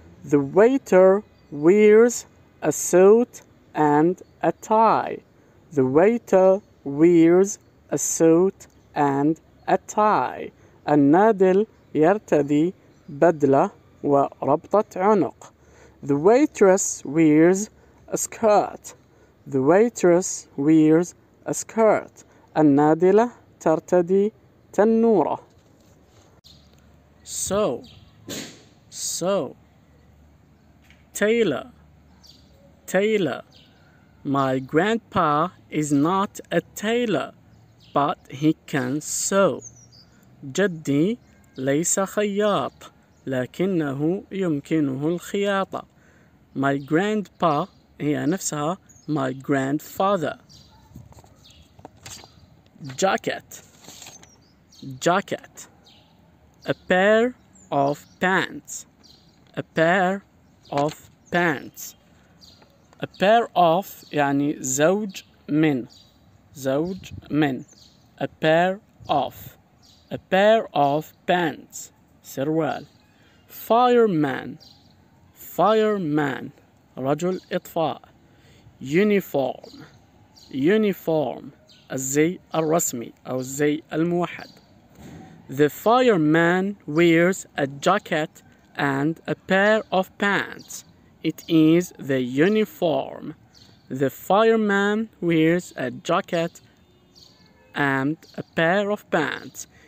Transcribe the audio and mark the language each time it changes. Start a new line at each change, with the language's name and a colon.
English: the waiter wears a suit and a tie. the waiter wears a suit and a tie.
Arabic: النادل يرتدي بدلة وربطة عنق.
English: The waitress wears a skirt. The waitress wears a skirt.
Arabic: النادلة ترتدي تنورة.
English: So so tailor tailor. My grandpa is not a tailor, but he can sew.
Arabic: جدي ليس خياط، لكنه يمكنه الخياطة.
English: My grandpa
Arabic: هي نفسها
English: my grandfather. jacket jacket a pair of pants a pair of pants a pair of
Arabic: يعني زوج من زوج من.
English: a pair of a pair of pants
Arabic: سروال.
English: fireman fireman
Arabic: رجل إطفاء.
English: uniform uniform
Arabic: الزي الرسمي أو الزي الموحد.
English: the fireman wears a jacket and a pair of pants. it is the uniform. the fireman wears a jacket and a pair of pants.